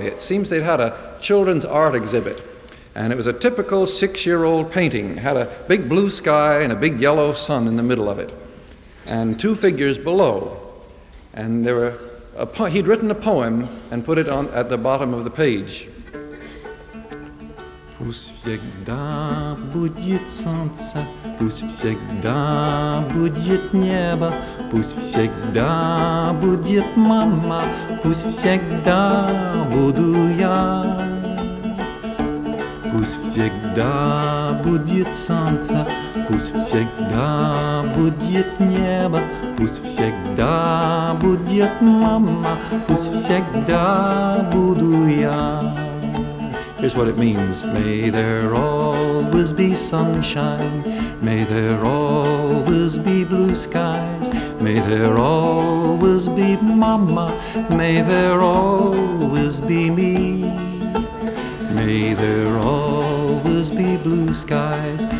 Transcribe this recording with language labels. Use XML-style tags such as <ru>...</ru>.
<en>It seems they'd had a children's art exhibit. And it was a typical six-year-old painting. It had a big blue sky and a big yellow sun in the middle of it. And two figures below. And there were he'd written a poem and put it on at the bottom of the page.</en> <ru>Пусть всегда будет солнце, пусть всегда будет небо, пусть всегда будет мама, пусть всегда буду я. Пусть всегда будет солнце, пусть всегда будет небо, пусть всегда будет мама, пусть всегда буду я.</ru> <en>Here's what it means. May there always be sunshine. May there always be blue skies. May there always be mama. May there always be me. May there always be blue skies.</en>